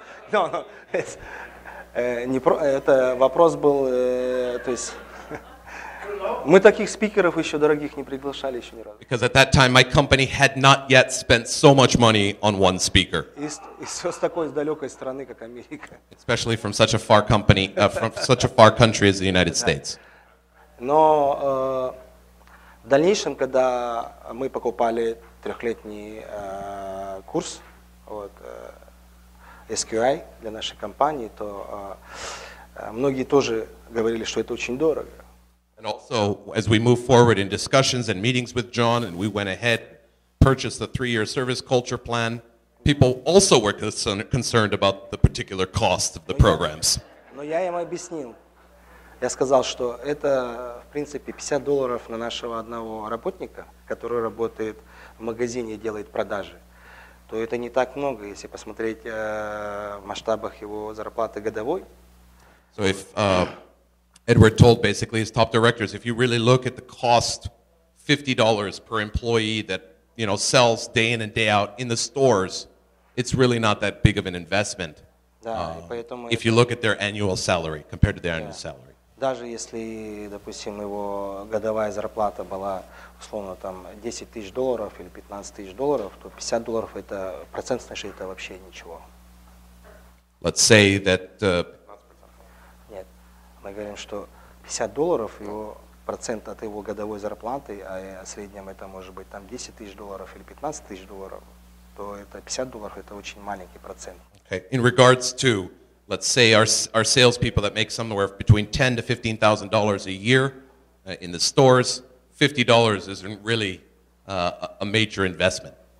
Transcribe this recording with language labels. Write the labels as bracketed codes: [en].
[en] No. [ru] Это вопрос был, то есть мы таких спикеров еще дорогих не приглашали еще ни разу. [en] Because at that time my company had not yet spent so much money on one speaker. [ru] Из такой далекой страны, как Америка. [en] Especially from such a far company, from such a far country as the United States. [ru] Но В дальнейшем, когда мы покупали трехлетний курс вот, SQI для нашей компании, то многие тоже говорили, что это очень дорого. [en] And also, as we move forward in discussions and meetings with John, and we went ahead, purchased the three-year service culture plan, people also were concerned about the particular cost of the programs. [ru] Но я им объяснил. Я сказал, что это, в принципе, $50 на нашего одного работника, который работает в магазине и делает продажи. То это не так много, если посмотреть в масштабах его зарплаты годовой. [en] So if Edward told basically his top directors, if you really look at the cost, $50 per employee that, you know, sells day in and day out in the stores, it's really not that big of an investment. [ru] Да, [en] if you look at their annual salary compared to their annual salary. [ru] Даже если, допустим, его годовая зарплата была, условно, там, $10,000 или $15,000, то $50 это процент, значит, это вообще ничего. [en] Let's say that... [ru] Нет, мы говорим, что $50, его процент от его годовой зарплаты, а в среднем это может быть там $10,000 или $15,000, то это $50 это очень маленький процент. [en] Okay. In regards to... Let's say our salespeople that make somewhere between $10,000 to $15,000 a year in the stores, $50 isn't really a major investment.